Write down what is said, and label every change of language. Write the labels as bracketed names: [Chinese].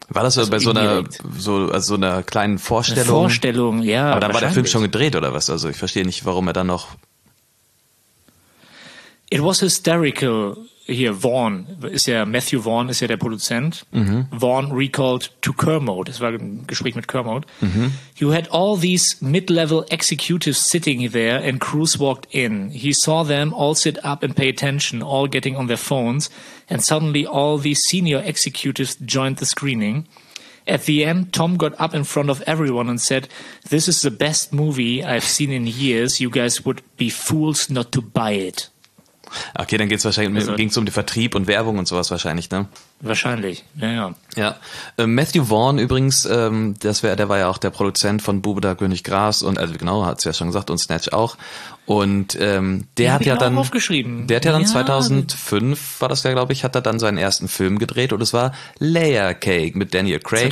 [German] War das also bei so einer kleinen Vorstellung? Eine Vorstellung, ja. Aber dann war der Film schon gedreht oder was? Also ich verstehe nicht, warum er dann noch. [English] It was hysterical. [German] Hier, Vaughn, ist ja, Matthew Vaughn ist ja der Produzent. Mhm. [English] Vaughn recalled to Kermode, [German] das war ein Gespräch mit Kermode. Mhm. [English] You had all these mid-level executives sitting there and Cruise walked in. He saw them all sit up and pay attention, all getting on their phones. And suddenly all these senior executives joined the screening. At the end, Tom got up in front of everyone and said, this is the best movie I've seen in years. You guys would be fools not to buy it. [German] Okay, dann ging es um den Vertrieb und Werbung und sowas wahrscheinlich, ne? Wahrscheinlich, ja. Ja, Matthew Vaughn übrigens, der war ja auch der Produzent von Bube da König Gras und, also genau, hat es ja schon gesagt, und Snatch auch. Und der hat ja dann 2005, war das ja, glaube ich, hat er dann seinen ersten Film gedreht und es war Layer Cake mit Daniel Craig.